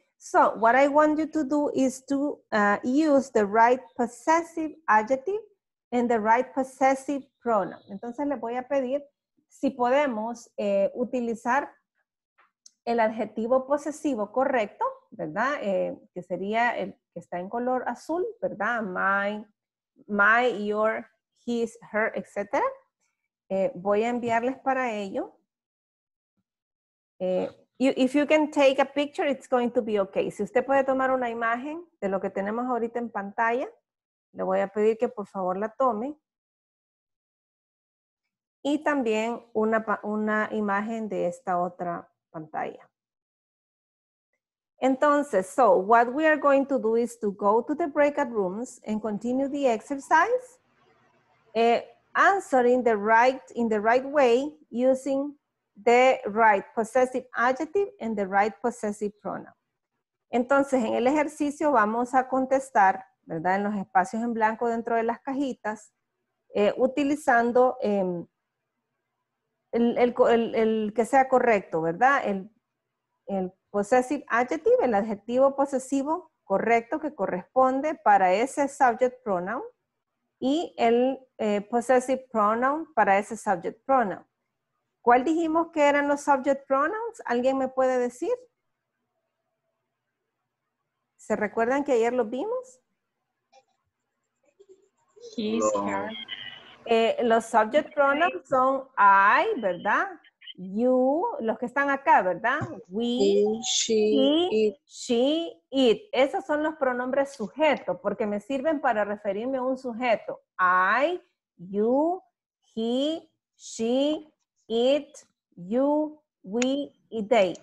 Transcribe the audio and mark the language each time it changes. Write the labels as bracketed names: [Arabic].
[English] So what I want you to do is to use the right possessive adjective and the right possessive pronoun. [Spanish] Entonces le voy a pedir si podemos utilizar el adjetivo posesivo correcto, ¿verdad? Que sería el que está en color azul, ¿verdad? [English] My, your, his, her, etc. [Spanish] Voy a enviarles para ello. [English] If you can take a picture, it's going to be okay. [Spanish] Si usted puede tomar una imagen de lo que tenemos ahorita en pantalla, le voy a pedir que por favor la tome. Y también una imagen de esta otra pantalla. [English] Entonces, so what we are going to do is to go to the breakout rooms and continue the exercise, answering the right in the right way using the right possessive adjective and the right possessive pronoun. [Spanish] Entonces, en el ejercicio vamos a contestar, ¿verdad?, en los espacios en blanco dentro de las cajitas, utilizando el que sea correcto, ¿verdad? El possessive adjective, el adjetivo posesivo correcto que corresponde para ese subject pronoun, y el possessive pronoun para ese subject pronoun. ¿Cuál dijimos que eran los subject pronouns? ¿Alguien me puede decir? ¿Se recuerdan que ayer los vimos? [English] He's her. [Spanish] Los subject pronouns son I, ¿verdad? You, los que están acá, ¿verdad? We, [English] she, it. [Spanish] Esos son los pronombres sujeto, porque me sirven para referirme a un sujeto. [English] I, you, he, she, it, you, we, y they.